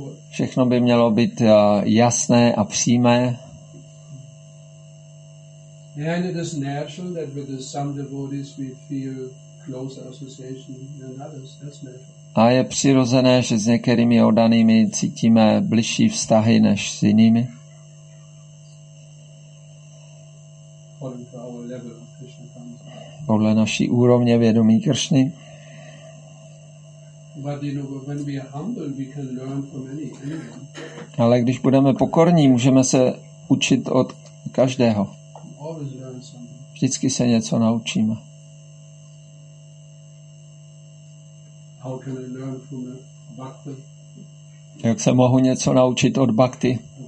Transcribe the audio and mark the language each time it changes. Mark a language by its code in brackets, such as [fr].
[cs] Všechno by mělo být jasné a přímé. [en] And it is natural that with some devotees we feel closer association than others. That's natural. [cs] A je přirozené, že s některými oddanými cítíme bližší vztahy než s jinými. [en] according to our level of Krishna consciousness. [cs] Podle naší úrovně vědomí Kršny. [en] But you know, when we are humble, we can learn from anyone. [cs] Ale když budeme pokorní, můžeme se učit od každého. [en] Always learn something. [cs] Vždycky se něco naučíme. [en] How can I learn from a bhakti? [cs] Jak se mohu něco naučit od bhakti?